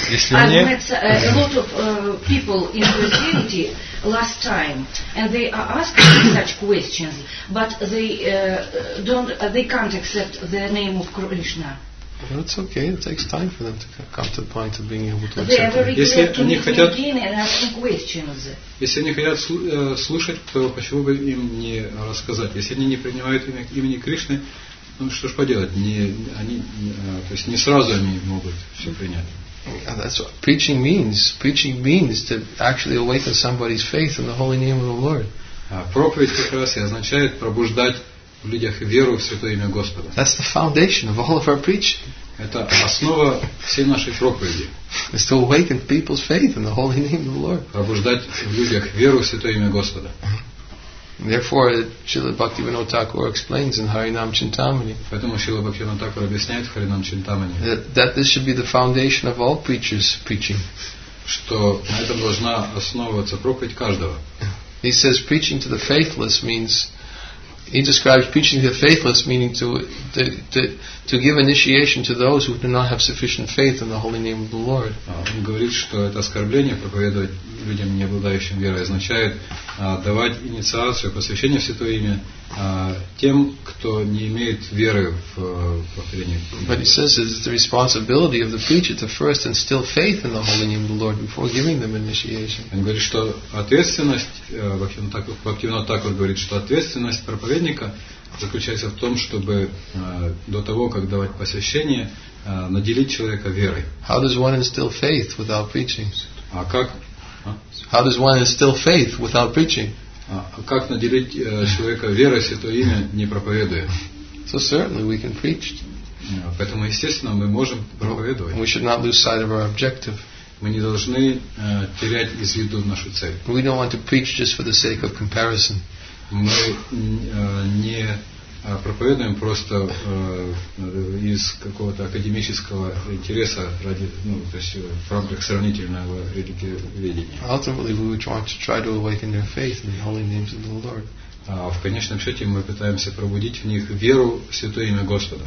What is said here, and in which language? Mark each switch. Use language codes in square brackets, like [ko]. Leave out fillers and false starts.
[en] I've met a lot of people in Christianity last time, and they are asking such questions, but they don't, they can't accept the name of Krishna. Well, it's okay, it takes time for them to come to the point of being able to accept it. [ru] Если они хотят, если они хотят слушать, то почему бы им не рассказать? Если они не принимают имени Кришны, ну что ж поделать, не, они, то есть не сразу они могут все принять. [en] And that's what preaching means. Preaching means to actually awaken somebody's faith in the holy name of the Lord. [ru] Проповедь как раз и означает пробуждать в людях веру в святое имя Господа. [en] That's the foundation of all of our preaching. [ru] Это основа всей нашей проповеди. [en] It's to awaken people's faith in the holy name of the Lord. [ru] Пробуждать в людях веру в святое имя Господа. [en] Therefore, Śrīla Bhaktivinoda Thakura explains in Harinam Chintamani. [ru] Поэтому Śrīla Bhaktivinoda Thakura объясняет в Харинам Чинтамани. [en] That this should be the foundation of all preachers preaching. [ru] Что на этом должна основываться проповедь каждого. [en] He says preaching to the faithless means. He describes preaching to the faithless, meaning to give initiation to those who do not have sufficient faith in the holy name of the Lord. [ru] Он говорит, что это оскорбление проповедовать людям, не обладающим верой, означает давать инициацию, посвящение в святое имя тем, кто не имеет веры в повторение. [en] But he says it's the responsibility of the preacher to first instill faith in the holy name of the Lord before giving them initiation. [ru] Он говорит, что ответственность, Бхактивинода Такур говорит, что ответственность проповедника заключается в том, чтобы до того, как давать посвящение, наделить человека верой. [en] How does one instill faith without preaching? [ru] А как? [en] How does one instill faith without preaching? [ru] А как наделить человека верой святое имя, не проповедуя? [en] So certainly we can preach. [ru] Поэтому, естественно, мы можем проповедовать. [en] We should not lose sight of our objective. [ru] Мы не должны терять из виду нашу цель. [en] We don't want to preach just for the sake of comparison. [ru] Мы не проповедуем просто из какого-то академического интереса ради, ну, то есть в рамках сравнительного религиоведения. В конечном счете мы пытаемся пробудить в них веру в святое имя Господа.